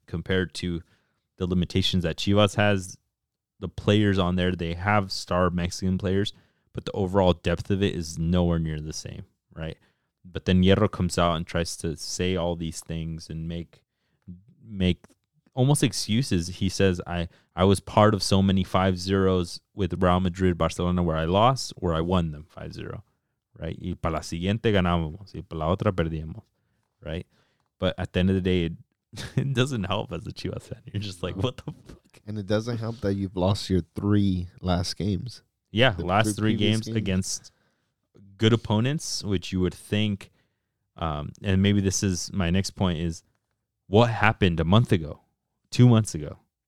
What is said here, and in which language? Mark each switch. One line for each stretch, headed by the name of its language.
English: Compared to the limitations that Chivas has, the players on there, they have star Mexican players, but the overall depth of it is nowhere near the same, right? But then Hierro comes out and tries to say all these things and make almost excuses. He says, I was part of so many 5-0s with Real Madrid, Barcelona, where I lost, where I won them 5-0, right?
Spanish: Y para la siguiente ganábamos, y para la otra perdíamos,
English: right? But at the end of the day, it doesn't help as a Chivas fan. You're just like, what the fuck? And it doesn't help that you've lost your three last games. Yeah, the last three games against good opponents, which you would think, and maybe this is my next point, is what happened a month ago, 2 months ago?